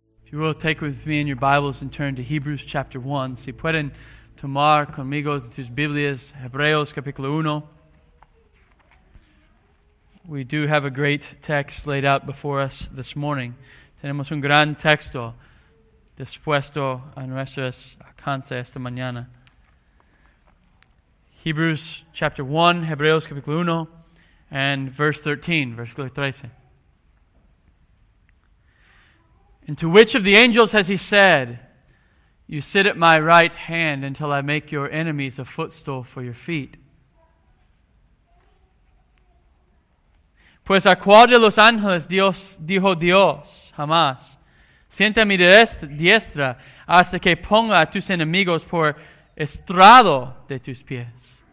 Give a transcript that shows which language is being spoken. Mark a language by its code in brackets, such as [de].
[en] If you will, take with me in your Bibles and turn to Hebrews chapter 1. [es] Si pueden tomar conmigo sus Biblias, Hebreos capítulo 1. [en] We do have a great text laid out before us this morning. [es] Tenemos un gran texto dispuesto a nuestras alcances esta mañana. [en] Hebrews chapter 1, [es] Hebreos capítulo 1, [en] and verse 13, [es] versículo 13. [en] And to which of the angels has he said, "You sit at my right hand until I make your enemies a footstool for your feet"? [es] Pues a cuál de los ángeles Dios dijo Dios jamás, sienta mi diestra hasta que ponga a tus enemigos por estrado de tus pies.